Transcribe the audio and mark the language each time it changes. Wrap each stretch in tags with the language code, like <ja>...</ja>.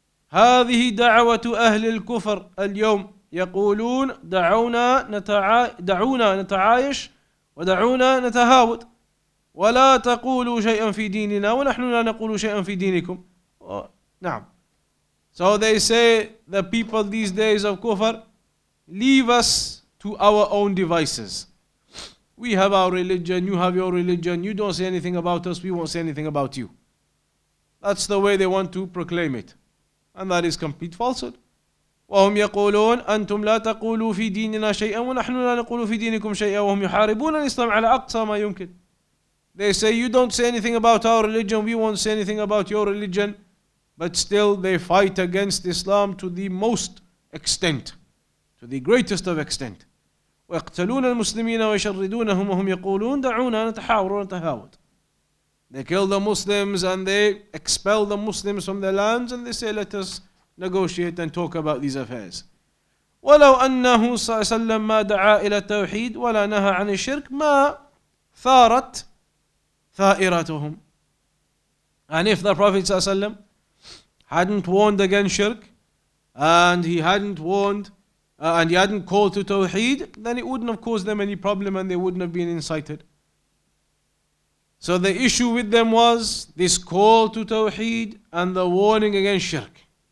<ar>هذه دعوة أهل الكفر اليوم يقولون دعونا نتعايش ودعونا نتهاوت ولا تقولوا شيئا في ديننا ونحن لا نقول شيئا في دينكم. نعم.</ar> <en>So they say, the people these days of kufr, leave us to our own devices. We have our religion, you have your religion, you don't say anything about us, we won't say anything about you. That's the way they want to proclaim it. And that is complete falsehood.</en> <ar>وهم يقولون أنتم لا تقولوا في ديننا شيئا ونحن لا نقول في دينكم شيئا وهم يحاربون الإسلام على أقصى ما يمكن.</ar> <en>They say, you don't say anything about our religion, we won't say anything about your religion. But still they fight against Islam to the most extent, to the greatest of extent.</en> <ar>ويقتلون المسلمين ويشردونهم وهم يقولون دعونا نتحاور ونتهاوت.</ar> <en>They kill the Muslims and they expel the Muslims from their lands and they say, let us negotiate and talk about these affairs.</en> <ar>ولو أنه صلى الله عليه وسلم ما دعا إلى التوحيد ولا نهى عن الشرك ما ثارت ثائرتهم.</ar> <en>And if the Prophet</en> <ar>صلى الله عليه وسلم</ar> <en>hadn't warned against shirk and he hadn't called to Tawheed, then it wouldn't have caused them any problem and they wouldn't have been incited. So the issue with them was this call to Tawheed and the warning against shirk.</en>